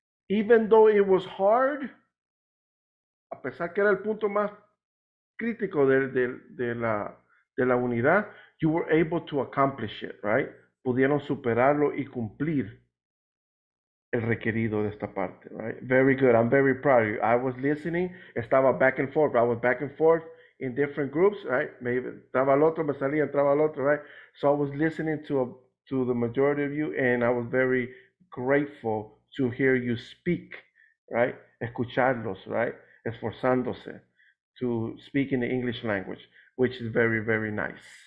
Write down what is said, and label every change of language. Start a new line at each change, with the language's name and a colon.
English: Even though it was hard,
Spanish: a pesar que era el punto más crítico de la unidad,
English: you were able to accomplish it, right?
Spanish: Pudieron superarlo y cumplir el requerido de esta parte, right?
English: Very good. I'm very proud of you. I was listening. Estaba back and forth. I was back and forth in different groups, right?
Spanish: Maybe entraba al otro, me salía, entraba al otro, right?
English: So I was listening to the majority of you, and I was very grateful to hear you speak, right? Escucharlos, right? Esforzándose to speak in the English language, which is very, very nice.